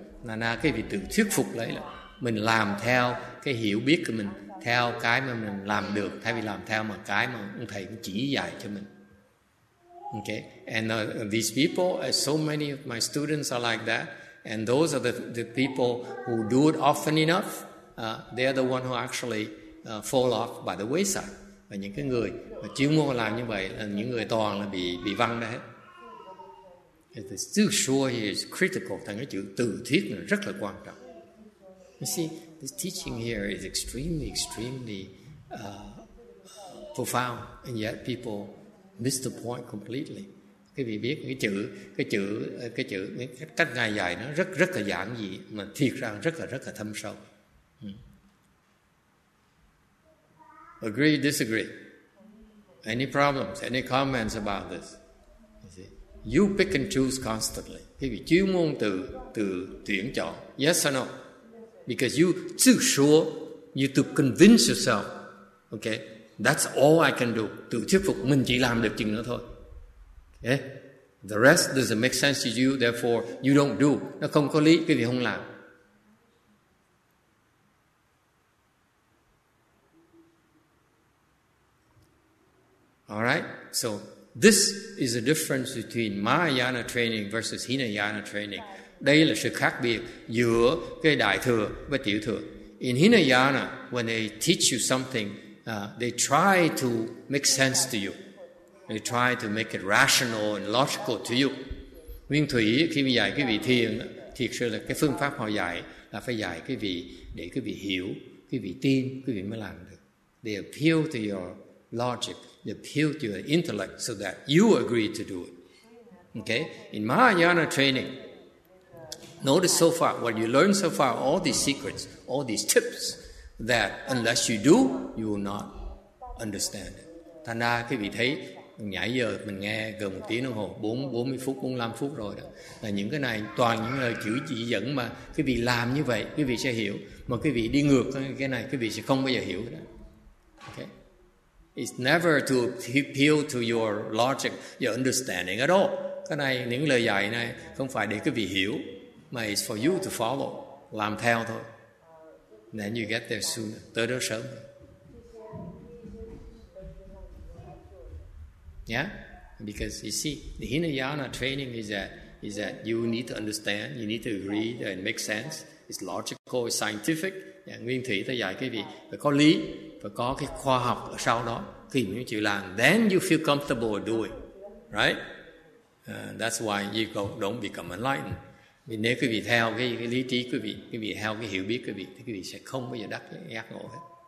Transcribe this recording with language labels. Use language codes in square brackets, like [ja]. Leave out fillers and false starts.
[vi] Nana quý vị tự thuyết phục lại là mình làm theo cái hiểu biết của mình, theo cái mà mình làm được, thay vì làm theo mà cái mà ông thầy cũng chỉ dạy cho mình. [en] Okay? And these people, so many of my students are like that. And those are the people who do it often enough. They are the one who actually fall off by the wayside. [vi] Và những cái người mà chuyên môn làm như vậy là những người toàn là bị văng ra hết. The zhi shuo is critical. Thành cái chữ từ thuyết là rất là quan trọng. [en] You see, this teaching here is extremely, extremely profound, and yet people miss the point completely. [vi] Quý vị biết cái chữ cách ngài dạy nó rất rất là giản dị mà thiệt ra rất là thâm sâu. [en] Agree, disagree? Any problems? Any comments about this? You pick and choose constantly. [vi] Quý vị chuyên môn từ tuyển chọn. [en] Yes or no? Because you too sure, you to convince yourself, okay, that's all I can do. [vi] Tự thuyết phục mình chỉ làm được chừng đó thôi. [en] Okay? The rest doesn't make sense to you, therefore you don't do. [vi] Nó không có lý, quý vị không làm. [en] All right? So this is the difference between Mahayana training versus Hinayana training. [vi] Đây là sự khác biệt giữa cái đại thừa và tiểu thừa. [en] In Hinayana, when they teach you something, they try to make sense to you. They try to make it rational and logical to you. [vi] Nguyên thủy khi mà dạy cái vị thiền, thiệt sự là cái phương pháp họ dạy là phải dạy cái vị để cái vị hiểu, cái vị tin, cái vị mới làm được. [en] They appeal to your logic, they appeal to your intellect so that you agree to do it. Okay? In Mahayana training, notice so far, what you learn so far, all these secrets, all these tips, that unless you do, you will not understand it. [vi] Thành ra quý vị thấy, nãy giờ mình nghe gần một tiếng đồng hồ, 40 phút, 45 phút rồi đó. Là những cái này toàn những lời chữ chỉ dẫn mà quý vị làm như vậy, quý vị sẽ hiểu. Mà quý vị đi ngược cái này, quý vị sẽ không bao giờ hiểu đó. [en] Okay? It's never to appeal to your logic, your understanding at all. [vi] Cái này, những lời dạy này không phải để quý vị hiểu. [en] But it's for you to follow, làm theo thôi. Then you get there soon, tới đó sớm. Yeah? Because you see, the Hinayana training is that you need to understand, you need to read and make sense. It's logical, it's scientific. [vi] Yeah, nguyên thủy tới dạy cái gì? Phải có lý, phải có cái khoa học ở sau đó. [en] Khi mình chịu làm, then you feel comfortable doing. Right? [vi] That's why you go, don't become enlightened. Vì nếu quý vị theo cái lý trí quý vị theo cái hiểu biết quý vị, thì quý vị sẽ không bao giờ đắc giác ngộ hết.